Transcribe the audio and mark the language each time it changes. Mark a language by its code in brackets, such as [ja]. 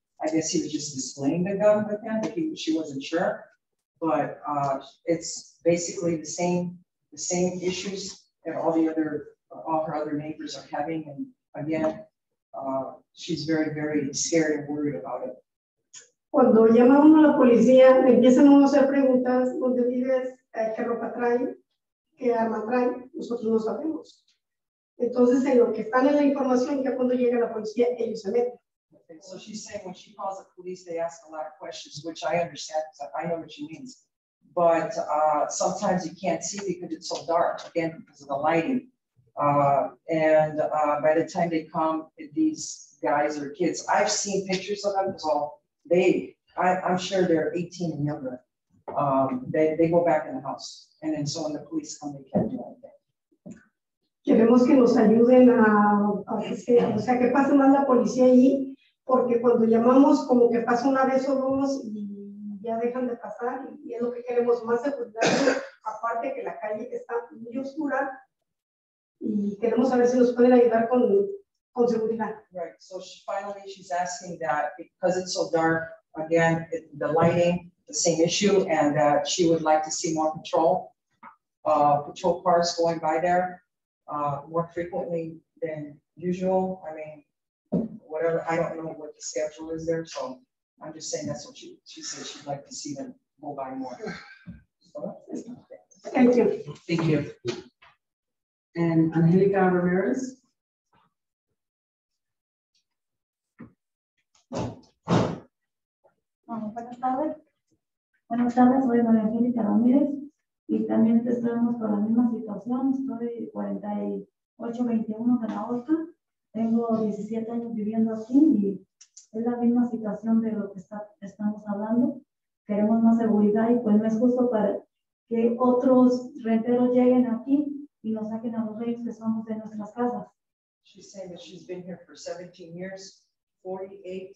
[en] I guess he was just displaying the gun with him, but she wasn't sure. But it's basically the same issues that all her other neighbors are having. And again, she's very, very scared and worried about it. [es] Cuando llama uno a la policía, empiezan uno a hacer preguntas, ¿dónde vives? ¿Qué ropa trae? ¿Qué arma trae? Nosotros no sabemos. Entonces, en lo que están en la información, ya cuando llega la policía, ellos se meten. [en] So she's saying when she calls the police, they ask a lot of questions, which I understand, because I know what she means. But sometimes you can't see because it's so dark, again, because of the lighting. By the time they come, these guys or kids, I've seen pictures of them, so I'm sure they're 18 and younger. They go back in the house. And then so when the police come, they can't do anything. [es] Queremos que nos ayuden a que pase más la policía ahí, porque cuando llamamos, como que pasa una vez o dos y ya dejan de pasar, y es lo que queremos más seguridad, aparte que la calle está muy oscura, y queremos saber si nos pueden ayudar con seguridad. [en] Right, so finally she's asking that because it's so dark, again, the lighting, the same issue, and that she would like to see more patrol cars going by there. More frequently than usual. I mean, whatever. I don't know what the schedule is there, so I'm just saying that's what she said. She'd like to see them go by more. So, thank you. Thank you. And Angelica Ramirez. [es] Buenas tardes. Soy María Angelica Ramirez. Y también estamos con la misma situación, estoy 4821 de la OCA, tengo 17 años viviendo aquí y es la misma situación de lo que estamos hablando. Queremos más seguridad y pues no es justo para que otros renteros lleguen aquí y nos saquen a los reyes que somos de nuestras casas. [en] She's saying that she's been here for 17 years, 48.